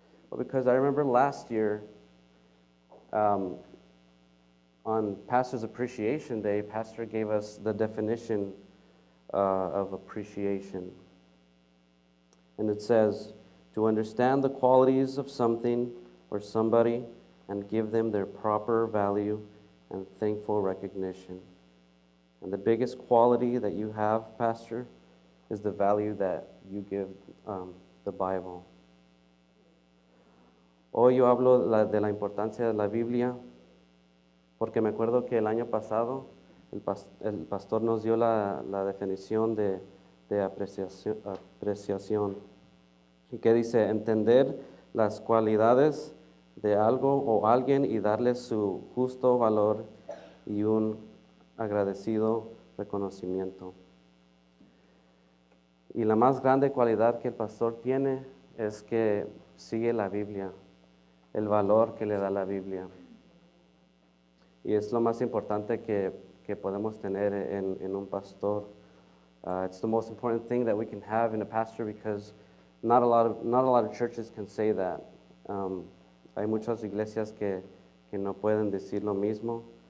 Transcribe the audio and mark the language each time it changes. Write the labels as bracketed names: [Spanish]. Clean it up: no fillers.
[English] Well, because I remember last year, on Pastor's Appreciation Day, Pastor gave us the definition of appreciation. And it says, to understand the qualities of something or somebody and give them their proper value and thankful recognition. And the biggest quality that you have, Pastor, is the value that you give the Bible. [Spanish] Hoy yo hablo de la importancia de la Biblia, porque me acuerdo que el año pasado el pastor nos dio la definición de apreciación. ¿Y qué dice? Entender las cualidades de algo o alguien y darle su justo valor y un agradecido reconocimiento. Y la más grande cualidad que el pastor tiene es que sigue la Biblia, el valor que le da la Biblia. Y es lo más importante que podemos tener en un pastor. [English] It's the most important thing that we can have in a pastor, because not a lot of churches can say that. [Spanish] Hay muchas iglesias que no pueden decir lo mismo.